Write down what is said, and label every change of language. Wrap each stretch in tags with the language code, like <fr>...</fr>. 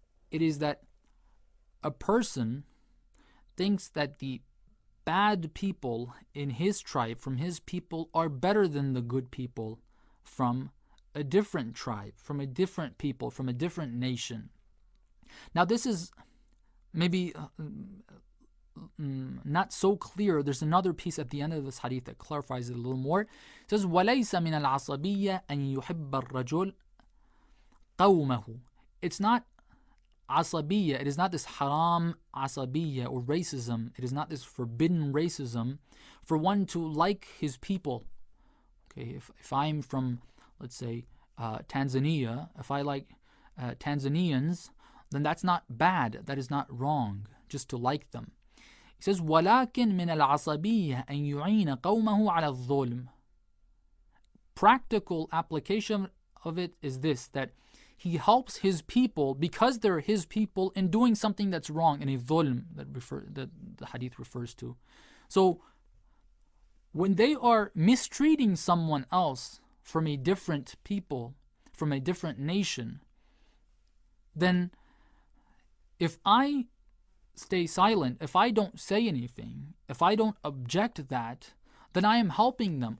<en>It is that a person thinks that the bad people in his tribe, from his people, are better than the good people from a different tribe, from a different people, from a different nation. Now this is maybe not so clear. There's another piece at the end of this hadith that clarifies it a little more. It says,</en> <ar>وَلَيْسَ مِنَ الْعَصَبِيَّةِ أَن يُحِبَّ الرَّجُلِ قَوْمَهُ.</ar> <en>It's not asabiyyah, it is not this haram asabiyyah or racism, it is not this forbidden racism for one to like his people. Okay, if I'm from, let's say, Tanzania, if I like Tanzanians, then that's not bad, that is not wrong, just to like them. He says,</en> <ar>وَلَكِن مِنَ الْعَصَبِيَّةِ أَن يُعِينَ قَوْمَهُ عَلَى الظُّلْمِ.</ar> <en>Practical application of it is this, that he helps his people, because they're his people, in doing something that's wrong, in a dhulm, that the hadith refers to. So, when they are mistreating someone else, from a different people, from a different nation, then if I stay silent, if I don't say anything, if I don't object that, then I am helping them.</en>